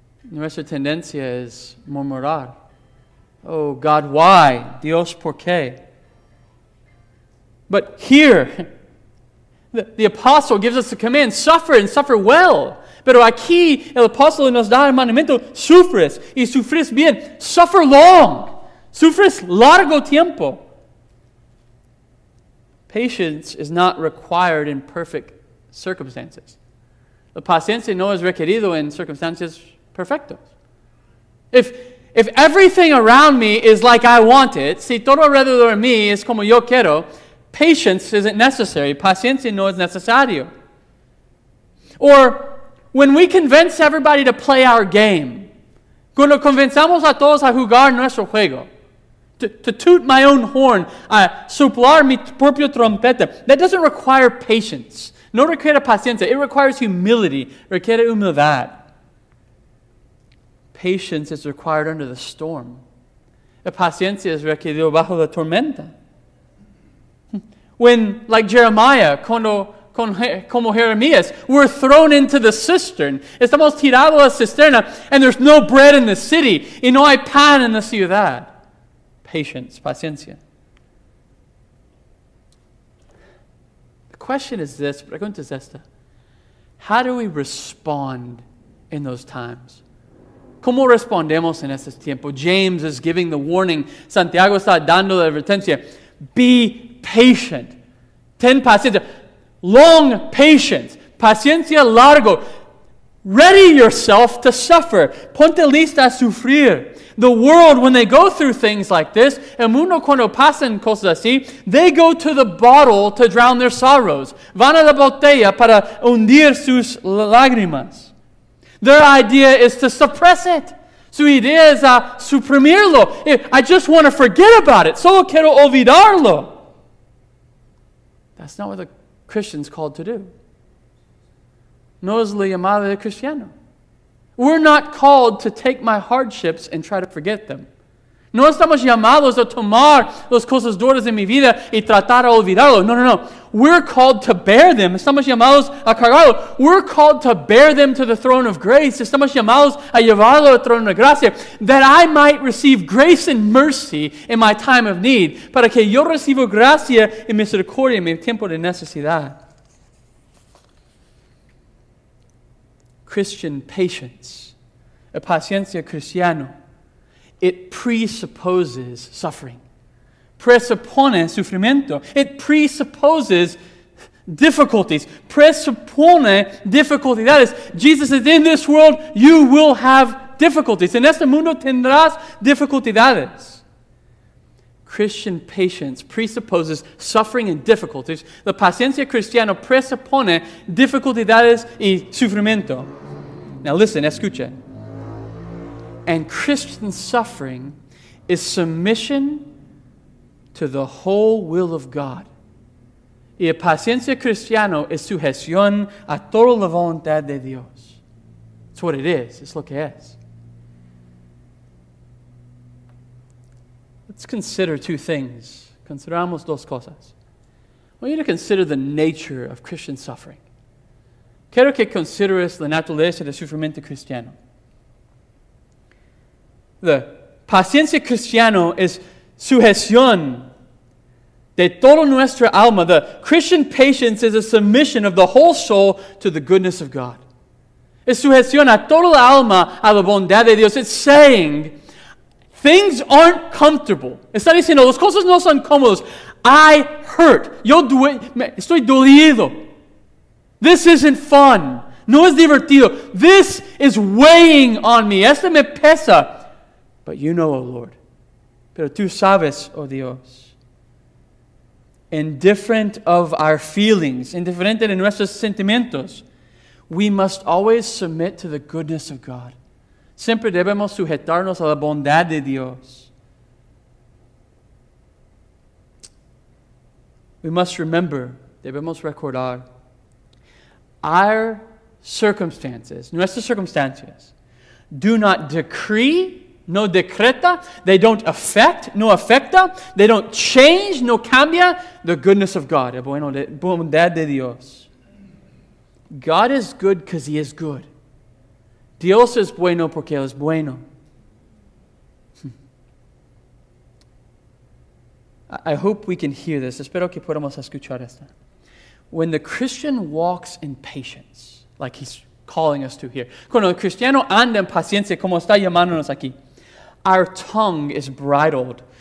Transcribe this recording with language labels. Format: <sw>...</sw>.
<es>Nuestra tendencia es murmurar.</es> <en>Oh, God, why?</en> <es>Dios, por qué?</es> <en>But here, the apostle gives us the command, suffer and suffer well.</en> <es>Pero aquí, el apóstol nos da el mandamiento, sufres y sufres bien.</es> <en>Suffer long.</en> <es>Sufres largo tiempo.</es> <en>Patience is not required in perfect circumstances.</en> <es>La paciencia no es requerido en circunstancias perfectas.</es> <en>If everything around me is like I want it,</en> <es>si todo alrededor de mí es como yo quiero,</es> <en>patience isn't necessary.</en> <es>Paciencia no es necesario.</es> <en>Or, when we convince everybody to play our game,</en> <es>cuando convencemos a todos a jugar nuestro juego,</es> <en>to toot my own horn,</en> <es>a soplar mi propio trompeta,</es> <en>that doesn't require patience.</en> <es>No requiere paciencia.</es> <en>It requires humility.</en> <es>Requiere humildad.</es> <en>Patience is required under the storm.</en> <es>La paciencia es requerido bajo la tormenta.</es> <en>When, like Jeremiah,</en> <es>como Jeremías,</es> <en>we're thrown into the cistern.</en> <es>Estamos tirados a la cisterna,</es> <en>and there's no bread in the city,</en> <es>y no hay pan en la ciudad.</es> <en>Patience,</en> <es>paciencia.</es> <en>The question is this,</en> <es>pregunta es esta.</es> <en>How do we respond in those times?</en> <es>¿Cómo respondemos en esos tiempos?</es> <en>James is giving the warning.</en> <es>Santiago está dando la advertencia.</es> <en>Be patient.</en> <es>Ten paciencia.</es> <en>Long patience.</en> <es>Paciencia largo.</es> <en>Ready yourself to suffer.</en> <es>Ponte lista a sufrir.</es> <en>The world, when they go through things like this,</en> <es>el mundo cuando pasan cosas así,</es> <en>they go to the bottle to drown their sorrows.</en> <es>Van a la botella para hundir sus lágrimas.</es> <en>Their idea is to suppress it.</en> <es>Su idea es a suprimirlo.</es> <en>I just want to forget about it.</en> <es>Solo quiero olvidarlo.</es> <en>That's not what the Christian's called to do.</en> <es>No es la llamada de cristiano.</es> <en>We're not called to take my hardships and try to forget them.</en> <es>No estamos llamados a tomar las cosas duras de mi vida y tratar de olvidarlo.</es> <en>No, no, no. We're called to bear them. Estamos llamados a cargarlo. We're called to bear them to the throne of grace.</en> <es>Estamos llamados a llevarlo al trono de gracia.</es> <en>That I might receive grace and mercy in my time of need.</en> <es>Para que yo reciba gracia y misericordia en mi tiempo de necesidad.</es> <en>Christian patience.</en> <es>La paciencia cristiana.</es> <en>It presupposes suffering.</en> <es>Presupone sufrimiento.</es> <en>It presupposes difficulties. Presupone difficulty. That is, Jesus says, in this world, you will have difficulties.</en> <es>En este mundo tendrás dificultades.</es> <en>Christian patience presupposes suffering and difficulties.</en> <es>La paciencia cristiana presupone dificultades y sufrimiento.</es> <en>Now listen,</en> <es>escucha.</es> <en>And Christian suffering is submission to the whole will of God.</en> <es>Y la paciencia cristiana es sujeción a toda la voluntad de Dios.</es> <en>It's what it is. It's</en> <es>lo que es.</es> <en>Let's consider two things.</en> <es>Consideramos dos cosas.</es> <en>I want you to consider the nature of Christian suffering.</en> <es>Quiero que consideres la naturaleza del sufrimiento cristiano. The Paciencia cristiana es sujeción de toda nuestra alma.</es> <en>The Christian patience is a submission of the whole soul to the goodness of God.</en> <es>Es sujeción a toda la alma a la bondad de Dios.</es> <en>It's saying, things aren't comfortable.</en> <es>Está diciendo, las cosas no son cómodas.</es> <en>I hurt.</en> <es>Estoy dolido.</es> <en>This isn't fun.</en> <es>No es divertido.</es> <en>This is weighing on me.</en> <es>Esto me pesa.</es> <en>But you know, oh Lord.</en> <es>Pero tú sabes, oh Dios.</es> <en>Indifferent of our feelings,</en> <es>indifferent de nuestros sentimientos,</es> <en>we must always submit to the goodness of God.</en> <es>Siempre debemos sujetarnos a la bondad de Dios.</es> <en>We must remember,</en> <es>debemos recordar,</es> <en>our circumstances,</en> <es>nuestras circumstancias,</es> <en>do not decree,</en> <es>no decreta,</es> <en>they don't affect,</en> <es>no afecta,</es> <en>they don't change,</en> <es>no cambia,</es> <en>the goodness of God,</en> <es>la bondad de Dios.</es> <en>God is good because He is good.</en> <es>Dios es bueno porque Él es bueno.</es> <en>I hope we can hear this.</en> <es>Espero que podamos escuchar esto.</es> <en>When the Christian walks in patience, like he's calling us to here,</en> <es>cuando el cristiano anda en paciencia, como está llamándonos aquí,</es> <en>our tongue is bridled.</en>